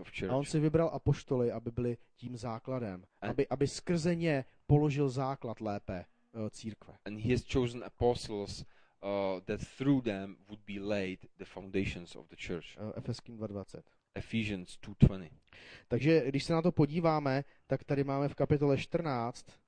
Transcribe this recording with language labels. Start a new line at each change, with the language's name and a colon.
Czech: A on si vybral apoštoly, aby byli tím základem, aby skrze ně položil základ lépe církve.
English: And he has chosen apostles that through them would be laid the foundations of the church. Ephesians 2:20.
Czech: Takže když se na to podíváme, tak tady máme v kapitole 14.